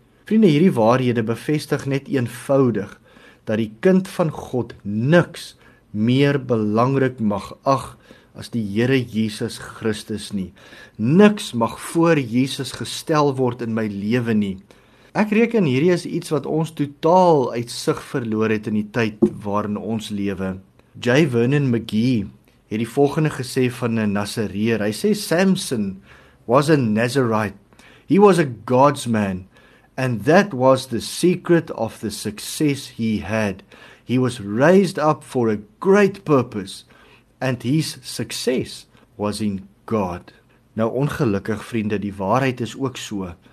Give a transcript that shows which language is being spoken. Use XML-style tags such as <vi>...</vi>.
<af>Vriende, hierdie waarhede bevestig net eenvoudig dat die kind van God niks meer belangrik mag ag as die Here Jesus Christus nie. Niks mag voor Jesus gestel word in my lewe nie. Ek reken hierdie is iets wat ons totaal uit sig verloor het in die tyd waarin ons lewe. J. Vernon McGee het die volgende gesê van 'n Nasareer. Hy sê</af> <en>Samson was a Nazarite. He was a God's man. And that was the secret of the success he had. He was raised up for a great purpose. And his success was in God.</en> <af>Nou ongelukkig vriende, die waarheid is ook so.</af>